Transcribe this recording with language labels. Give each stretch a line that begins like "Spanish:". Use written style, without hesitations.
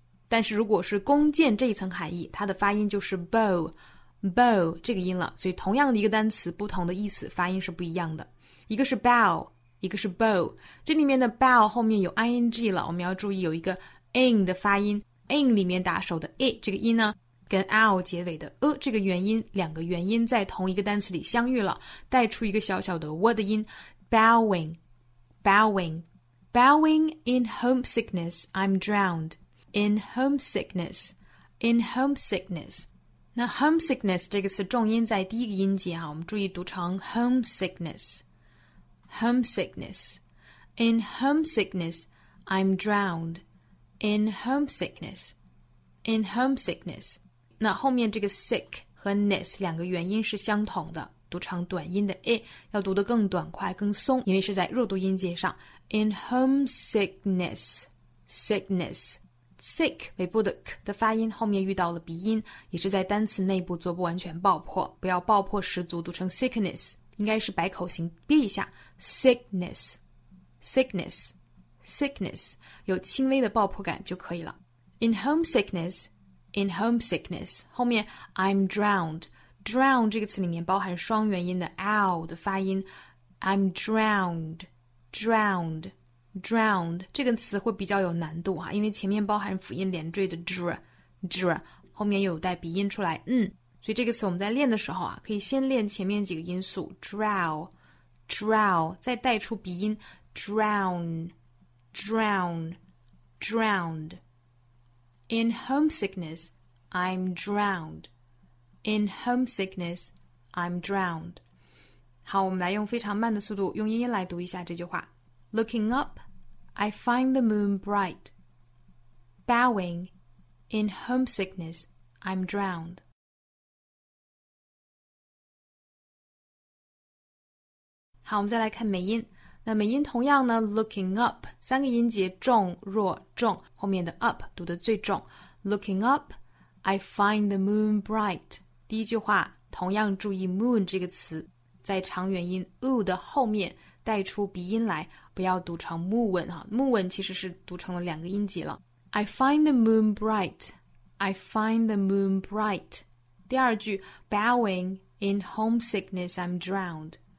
Chinese: 但是如果是弓箭这一层含义，它的发音就是 bow bow 这个音了，所以同样的一个单词不同的意思发音是不一样的，一个是 bow 一个是 bow， 这里面的 bow 后面有 ing 了，我们要注意有一个 ing 的发音，in 里面打首的 i 这个音呢，跟 ow 结尾的 a 这个元音，两个元音在同一个单词里相遇了，带出一个小小的 w 的音 ，
English: bowing， bowing， bowing in homesickness I'm drowned， in homesickness， in homesickness。
Chinese: 那 homesickness 这个词重音在第一个音节哈，我们注意读成 homesickness，
English: homesickness， in homesickness I'm drowned。 In homesickness, in homesickness.
Chinese: 那后面这个 sick 和 ness 两个元音是相同的，读成短音的 i 要读得更短快更松，因为是在弱读音节上。
English: In homesickness, sickness.
Chinese: Sick 尾部的 k 的发音后面遇到了鼻音，也是在单词内部做不完全爆破，不要爆破十足，读成 sickness， 应该是白口型闭一下
English: sickness, sickness.
Chinese: Sickness 有轻微的爆破感就可以了。
English: In homesickness, in homesickness
Chinese: 后面 I'm drowned， drown 这个词里面包含双元音的 ow 的发音，
English: I'm drowned, drowned, drowned
Chinese: 这个词会比较有难度啊，因为前面包含辅音连缀的 dr dr， 后面又有带鼻音出来嗯，所以这个词我们在练的时候啊，可以先练前面几个音素 drow drow， 再带出鼻音 drown。
English: Drown, drowned. In homesickness, I'm drowned. In homesickness, I'm drowned.
Chinese: 好，我们来用非常慢的速度用英音来读一下这句话。
English: Looking up, I find the moon bright. Bowing, in homesickness, I'm drowned.
Chinese: How 我们再来看美音。那美音同样呢
English: looking up
Chinese: 三个音节重弱重，后面的 up 读得最重。
English: looking up I find the moon bright，
Chinese: 第一句话同样注意 moon 这个词在长元音 u 的后面带出鼻音来不要读成 moon 哈 ，moon 其实是读成了两个音节了。
English: I find the moon bright. I find the moon bright.
Chinese: 第二句
English: ，bowing in homesickness, I'm drowned.